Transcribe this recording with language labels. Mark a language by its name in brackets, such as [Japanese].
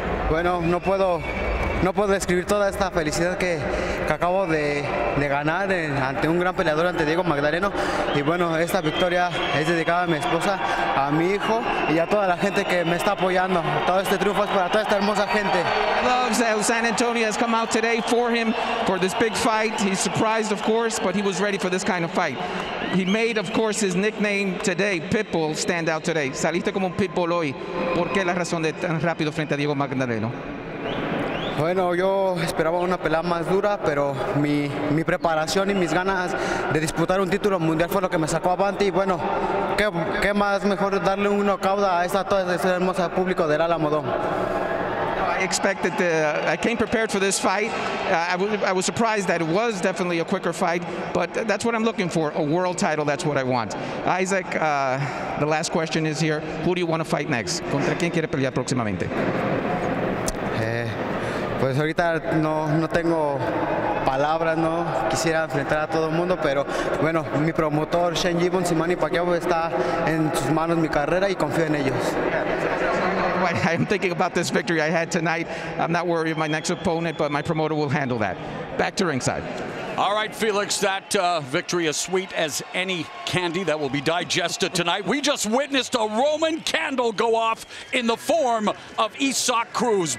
[Spanish] Bueno, no puedo describir toda esta felicidad que acabo de ganar ante un gran peleador, ante Diego Magdaleno. Y bueno, esta victoria es dedicada a mi esposa, a mi hijo y a toda la gente que me está apoyando. Todo este triunfo es para toda esta hermosa gente. [English] He loves how San Antonio has come out today for him, for this big fight. He's surprised, of course, but he was ready for this kind of fight. He made, of course, his nickname today, Pitbull, stand out today. [Spanish] Saliste como un Pitbull hoy. ¿Por qué la razón de tan rápido frente a Diego Magdaleno? Bueno, yo esperaba una pelea más dura, pero mi preparación y mis ganas de disputar un título mundial fue lo que me sacó avante. Y bueno, qué más mejor darle un knockout a esta toda esta hermosa público del Alamo Dome. [English] I expected I came prepared for this fight. I was surprised that it was definitely a quicker fight, but that's what I'm looking for, a world title, that's what I want. Isak, the last question is here. Who do you want to fight next? [Spanish] ¿Contra quién quiere pelear próximamente? Pues ahorita no tengo palabras, no quisiera enfrentar a todo el mundo, pero bueno, mi promotor Shane Gibbons y Manny Pacquiao está en sus manos mi carrera y confío en ellos. [English] I'm thinking about this victory I had tonight. I'm not worried about my next opponent, but my promoter will handle that. Back to ringside. All right, Felix, that victory as sweet as any candy that will be digested tonight. We just witnessed a Roman candle go off in the form of Isak Cruz.